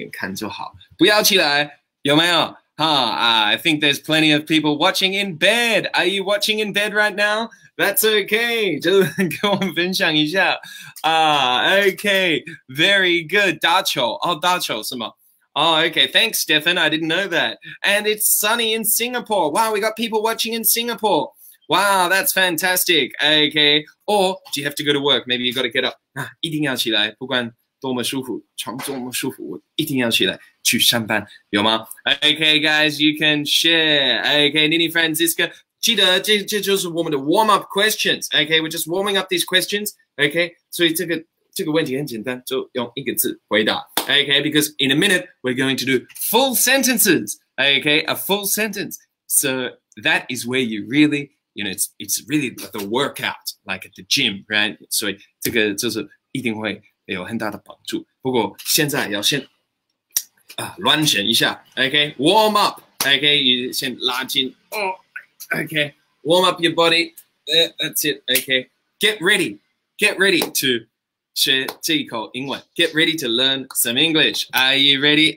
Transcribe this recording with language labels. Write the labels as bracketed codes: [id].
[zh] 那秋天在秋天的这个时候呢，很多人就喜欢就一直躺在床上，哦，就是太舒服了，有没有这个感觉？有没有啊？太舒服了，不要起来哦，八点了，立马老师开直播哦，我就是一边躺着一边看就好，不要起来，有没有？ [en] I think there's plenty of people watching in bed. Are you watching in bed right now? That's okay. [zh] 就跟我们分享一下. [en] Okay. Very good. [zh] 打球. [en] Oh, [zh] 打球是吗? [en] Oh, okay. Thanks, Stefan. I didn't know that. And it's sunny in Singapore. Wow, we got people watching in Singapore. Wow, that's fantastic. Okay. Or do you have to go to work? Maybe you got to get up. [zh] 一定要起来，不管。多么舒服，床多么舒服，我一定要起来去上班，有吗 ？ [en] Okay, guys, you can share. [zh] Okay, Nini Francisca, 记得这就是我们的 [en] warm up questions. Okay, we're just warming up these questions. [zh] Okay, 所以这个问题很简单，就用一个字回答。 [en] Okay, because in a minute we're going to do full sentences. Okay, a full sentence. So that is where you really, you know, it's really the workout, like at the gym, right? [zh] 所以这个就是一定会。有很大的帮助，不过现在要先乱选一下 [en] ，Okay, warm up, Okay, [zh] 先拉筋 [en] ，Okay, warm up your body, that's it, Okay, get ready to [zh] 学这一口英文 [en] ，get ready to learn some English. Are you ready?